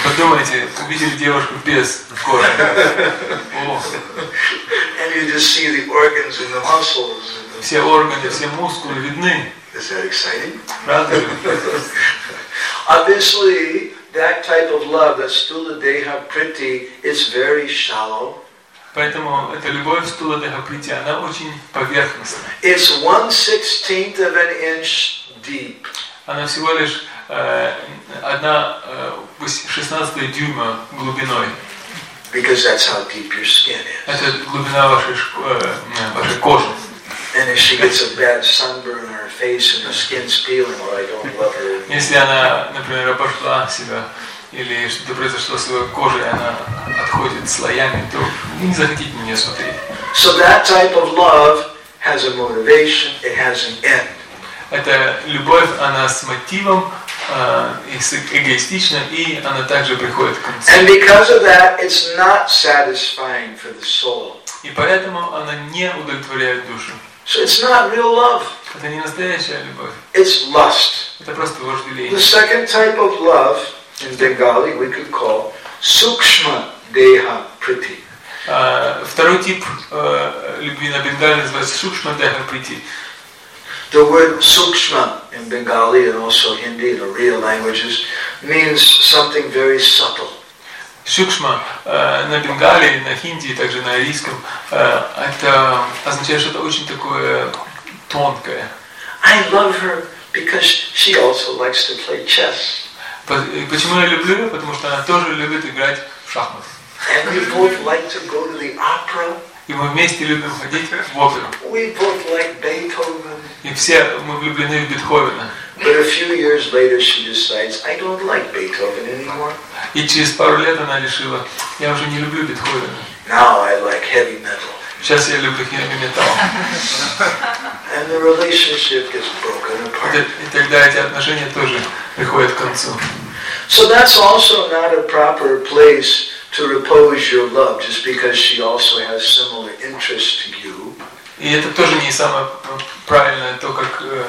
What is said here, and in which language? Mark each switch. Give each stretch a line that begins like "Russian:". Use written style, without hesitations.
Russian: Подумайте, увидели девушку без кожи.
English: And you just see the organs and the muscles.
Russian: Все органы, все мускулы видны.
English: Is that exciting?
Russian: Правда?
English: Obviously, that type of love, that stula deha priti, is very shallow.
Russian: Поэтому эта любовь stula deha priti, она очень поверхностная.
English: It's 1/16 of an inch deep.
Russian: Она всего лишь 1/16 дюйма глубиной.
English: Because that's how deep your skin is.
Russian: Это глубина вашей кожи.
English: And if she gets a bad sunburn on her face and her skin's peeling, or I don't love her.
Russian: Если она, например, обожгла себя или что-то произошло с ее кожей, она отходит слоями, то не захотите на нее смотреть.
English: So that type of love has a motivation. It has an end.
Russian: Эта любовь, она с мотивом, эгоистична, и она также приходит к концу.
English: And because of that, it's not satisfying for the soul.
Russian: И поэтому она не удовлетворяет душу.
English: So it's not real love.
Russian: Это не настоящая любовь.
English: It's lust.
Russian: Это просто вожделение.
English: The second type of love in Bengali we could call sukshma deha priti.
Russian: Второй тип любви на бенгали называется сукшма деха прити.
English: The word sukshma in Bengali and also Hindi, the real languages, means something very subtle.
Russian: Сукшма на бенгали, на хинди, также на арийском, это означает что-то очень такое тонкое.
English: I love her because she also likes to play chess.
Russian: Почему я люблю ее? Потому что она тоже любит играть в шахматы.
English: And we both like to go to the opera.
Russian: И мы вместе любим ходить в оперу.
English: We both like Beethoven.
Russian: И все мы влюблены в Бетховена.
English: But a few years later, she decides, I don't like Beethoven anymore.
Russian: И через пару лет она решила, я уже не люблю Бетховена.
English: Now I like heavy metal.
Russian: Сейчас я люблю
English: heavy metal. And the relationship gets broken apart.
Russian: И тогда эти отношения тоже приходят к концу.
English: So that's also not a proper place to repose your love, just because she also has similar interests to you.
Russian: И это тоже не самое правильное, то как.